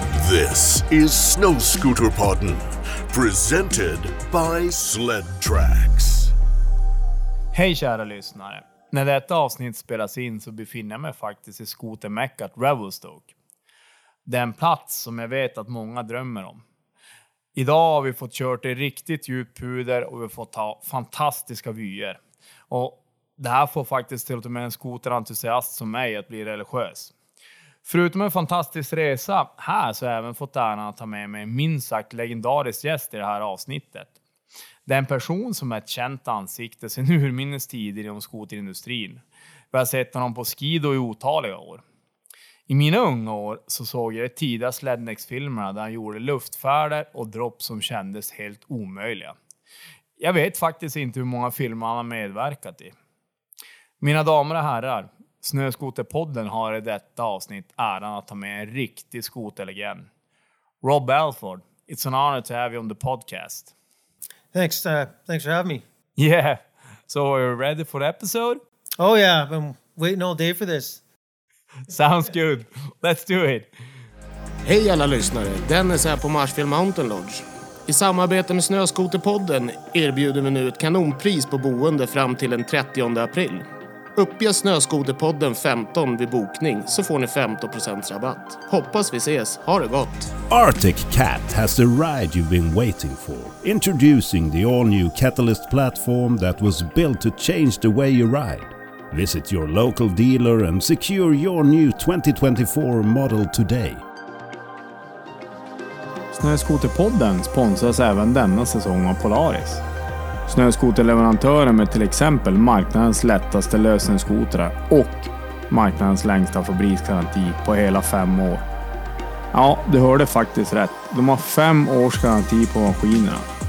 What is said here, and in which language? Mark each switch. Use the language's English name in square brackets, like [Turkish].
[English] This is Snow Scooter Podden, presented by Sled Tracks. [Swedish] Hej kära lyssnare. När detta avsnitt spelas in så befinner jag mig faktiskt i skotermäckat Revelstoke. Det är en plats som jag vet att många drömmer om. Idag har vi fått kört i riktigt djup puder och vi har fått ta fantastiska vyer. Och det här får faktiskt till och med en skoterentusiast som mig att bli religiös. Förutom en fantastisk resa här så har jag även fått äran att ta med mig en minst sagt legendarisk gäst i det här avsnittet. Det är en person som är ett känt ansikte sedan urminnes tider inom skoterindustrin. Vi har sett honom på skido i otaliga år. I mina unga år så såg jag de tidiga Slednex-filmerna där han gjorde luftfärder och dropp som kändes helt omöjliga. Jag vet faktiskt inte hur många filmer han har medverkat i. Mina damer och herrar. Snöskoterpodden har i detta avsnitt äran att ta med en riktig skoterlegend. [English] Rob Alford, it's an honor to have you on the podcast. Thanks for having me. Yeah, so are you ready for the episode? Oh yeah, I've been waiting all day for this. Sounds good, let's do it. [Swedish] Hej alla lyssnare, Dennis här på Marshfield Mountain Lodge. I samarbete med Snöskoterpodden erbjuder vi nu ett kanonpris på boende fram till den 30 april. Uppge Snöskoterpodden 15 vid bokning så får ni 15% rabatt. Hoppas vi ses. Ha det gott! [English] Arctic Cat has the ride you've been waiting for. Introducing the all-new Catalyst platform that was built to change the way you ride. Visit your local dealer and secure your new 2024 model today. [Swedish] Snöskoterpodden sponsras även denna säsong av Polaris. Snöskoterleverantören med till exempel marknadens lättaste lösenskotrar och marknadens längsta fabriksgaranti på hela 5 år. Ja, du hörde faktiskt rätt. De har 5 års garanti på maskinerna.